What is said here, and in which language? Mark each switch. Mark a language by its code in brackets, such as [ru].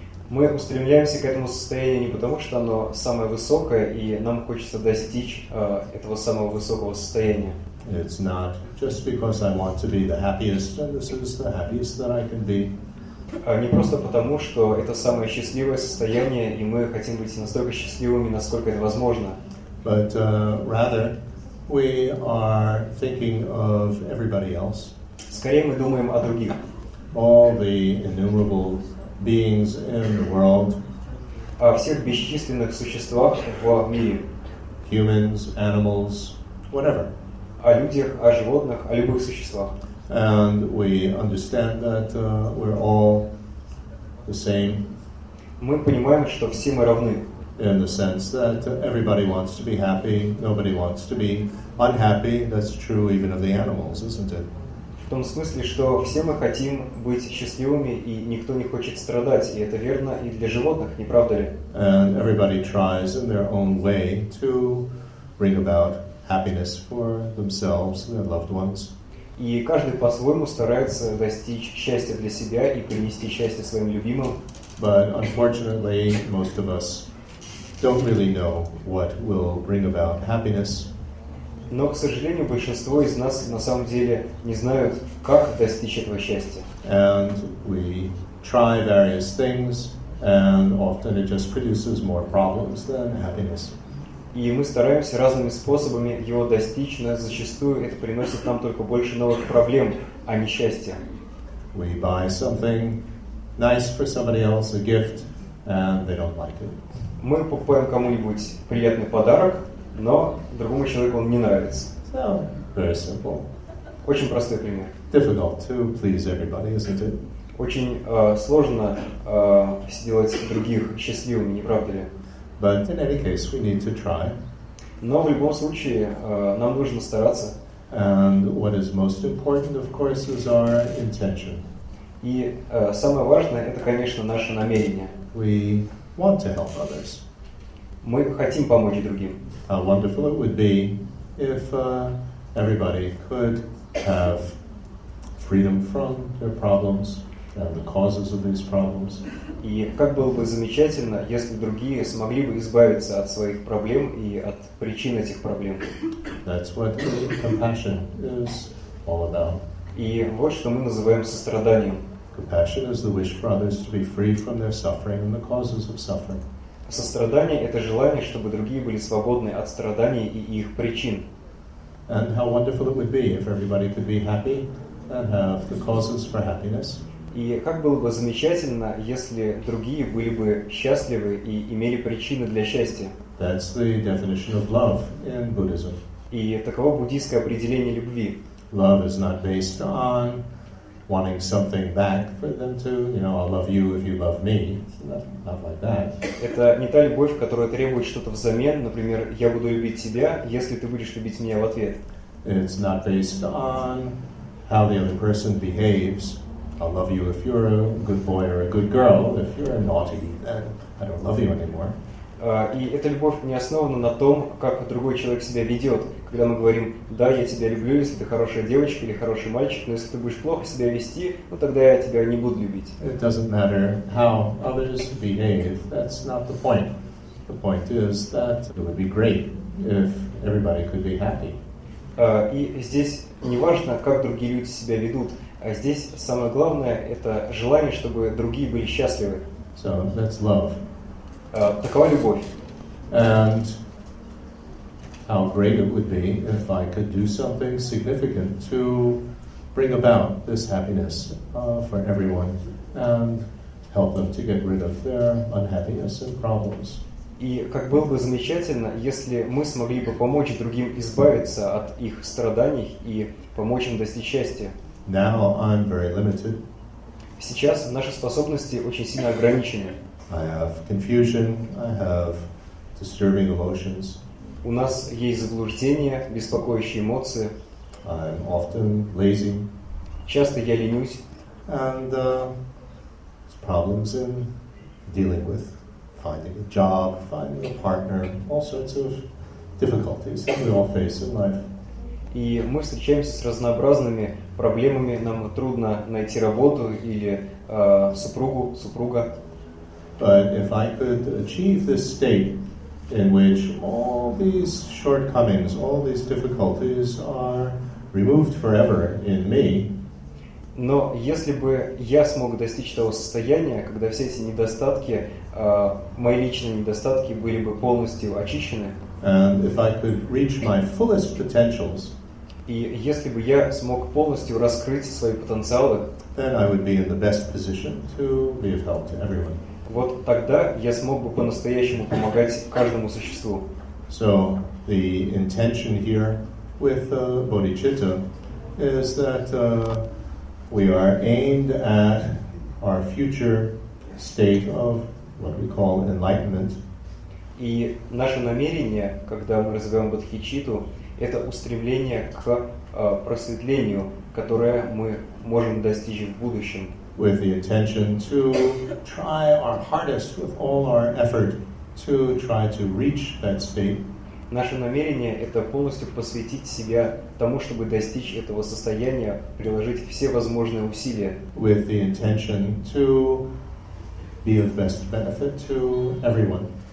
[ru] Мы устремляемся к этому состоянию не потому, что оно самое высокое, и нам хочется достичь этого самого высокого состояния. [en] It's not just because I want to be the happiest, and this is the happiest that I can be. [ru] Не просто потому, что это самое счастливое состояние, и мы хотим быть настолько счастливыми, насколько это возможно. [en] But rather, we are thinking of everybody else. [ru] Скорее, мы думаем о других. [en] All the innumerable beings in the world. [ru] О всех бесчисленных существах в мире. [en] Humans, animals, whatever. [ru] О людях, о животных, о любых существах. [en] And we understand that we're all the same. [ru] Мы понимаем, что все мы равны. [en] In the sense that everybody wants to be happy, nobody wants to be unhappy. That's true even of the animals, isn't it? [ru] В том смысле, что все мы хотим быть счастливыми, и никто не хочет страдать, и это верно и для животных, не правда ли? [en] And everybody tries in their own way to bring about happiness for themselves and their loved ones. [ru] И каждый по-своему старается достичь счастья для себя и принести счастье своим любимым. [en] But unfortunately, most of us don't really know what will bring about happiness. [ru] Но, к сожалению, большинство из нас на самом деле не знают, как достичь этого счастья. [en] And we try various things, and often it just produces more problems than happiness. [ru] И мы стараемся разными способами его достичь, но зачастую это приносит нам только больше новых проблем, а не счастья. [en] We buy something nice for somebody else, a gift, and they don't like it. [ru] Мы покупаем кому-нибудь приятный подарок, но другому человеку он не нравится. [en] So, very simple. [ru] Очень простой пример. [en] Difficult to please everybody, isn't it? [ru] Очень сложно сделать других счастливыми, не правда ли? [en] But in any case, we need to try. [ru] Но в любом случае нам нужно стараться. [en] And what is most important, of course, is our intention. [ru] И самое важное — это, конечно, наше намерение. [en] We want to help others. [ru] Мы хотим помочь другим. [en] How wonderful it would be if everybody could have freedom from their problems and the causes of these problems. [ru] И как было бы замечательно, если другие смогли бы избавиться от своих проблем и от причин этих проблем. [en] That's what compassion is all about. [ru] И вот что мы называем состраданием. [en] Compassion is the wish for others to be free from their suffering and the causes of suffering. [ru] Сострадание — это желание, чтобы другие были свободны от страданий и их причин. [en] And how wonderful it would be if everybody could be happy and have the causes for happiness. [ru] И как было бы замечательно, если другие были бы счастливы и имели причины для счастья. [en] That's the definition of love in Buddhism. [ru] И таково буддийское определение любви. [en] Love is not based on wanting something back for them to, you know, I'll love you if you love me. Not like that. [ru] Это не та любовь, которая требует что-то взамен, например, я буду любить тебя, если ты будешь любить меня в ответ. [en] It's not based on how the other person behaves. I'll love you if you're a good boy or a good girl. If you're naughty, then I don't love you anymore. [ru] И эта любовь не основана на том, как другой человек себя ведет. Когда мы говорим, да, я тебя люблю, если ты хорошая девочка или хороший мальчик, но если ты будешь плохо себя вести, ну тогда я тебя не буду любить. [en] It doesn't matter how others behave. That's not the point. The point is that it would be great if everybody could be happy. [ru] И здесь не важно, как другие люди себя ведут, а здесь самое главное — это желание, чтобы другие были счастливы. [en] So that's love. [ru] Такова любовь. [en] And how great it would be if I could do something significant to bring about this happiness for everyone and help them to get rid of their unhappiness and problems. [ru] И как было бы замечательно, если мы смогли бы помочь другим избавиться от их страданий и помочь им достичь счастья. [en] Now I'm very limited. [ru] Сейчас наши способности очень сильно ограничены. [en] I have confusion, I have disturbing emotions. [ru] У нас есть заблуждения, беспокоящие эмоции. [en] I'm often lazy. [ru] Часто я ленюсь. [en] And problems in dealing with finding a job, finding a partner, all sorts of difficulties that we all face in life. [ru] И мы встречаемся с разнообразными проблемами. Нам трудно найти работу или супругу, супруга. [en] But if I could achieve this state in which all these shortcomings, all these difficulties are removed forever in me. [ru] Но если бы я смог достичь того состояния, когда все эти недостатки, мои личные недостатки были бы полностью очищены. [en] And if I could reach my fullest potentials. [ru] И если бы я смог полностью раскрыть свои потенциалы. [en] Then I would be in the best position to be of help to everyone. [ru] Вот тогда я смог бы по-настоящему помогать каждому существу. [en] So the intention here with bodhicitta is that we are aimed at our future state of what we call enlightenment. [ru] И наше намерение, когда мы развиваем бодхичитту, это устремление к просветлению, которое мы можем достичь в будущем. [en] With the intention to try our hardest, with all our effort, to try to reach that state. [ru] Наше намерение — это полностью посвятить себя тому, чтобы достичь этого состояния, приложить все возможные усилия. [en] With the intention to be of best benefit to everyone.